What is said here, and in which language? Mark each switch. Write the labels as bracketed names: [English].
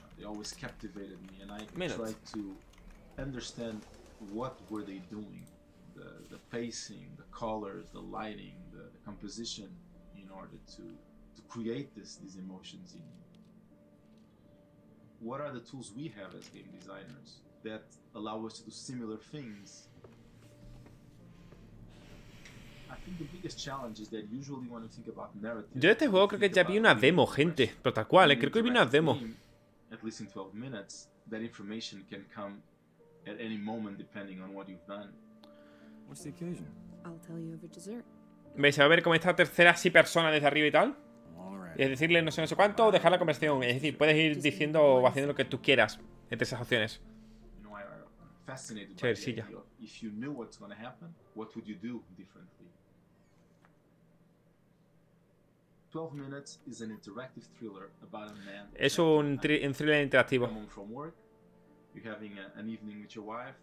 [English] They always captivated me, and I tried to understand what were they doing, the pacing, the colors, the lighting, the composition, in order to create these emotions in me. What are the tools we have as game designers that allow us to do similar things? I think the biggest challenge is that usually when you think about narrative. [Spanish] Yo de este juego creo que ya vi una demo, gente, pero tal cual, creo que vi una demo. [English] At least in 12 minutes, that information can come at any moment depending on what you've done. What's the occasion? I'll tell you over dessert. [Spanish] ¿Veis? A ver cómo está tercera así persona desde arriba y tal. Y es decirle no sé no sé cuánto o dejar la conversación, es decir, puedes ir diciendo o haciendo lo que tú quieras entre esas opciones. [English] Fascinated by the idea. If you knew what's going to happen, what would you do differently? 12 minutes is an interactive thriller about a man. [Spanish] Es un thriller interactivo. [English] Coming from work, you're having an evening with your wife.